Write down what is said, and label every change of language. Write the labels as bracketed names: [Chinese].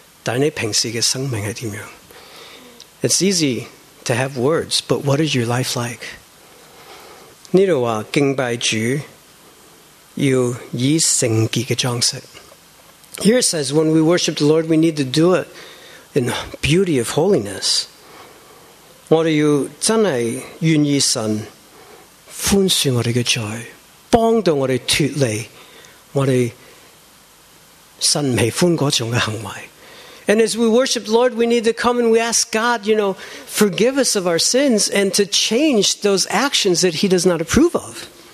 [Cantonese] 上到台容易讲啲说话，但你平时嘅生命系点样？ [English] It's easy to have words, but what is your life like? [Cantonese] 呢度话敬拜主要以圣洁嘅装饰。 [English] Here it says when we worship the Lord, we need to do it in beauty of holiness. [Cantonese] 我哋要真系愿意神宽恕我哋嘅罪，帮到我哋脱离我哋。 [English] And as we worship the Lord, we need to come and we ask God, you know, forgive us of our sins and to change those actions that he does not approve of.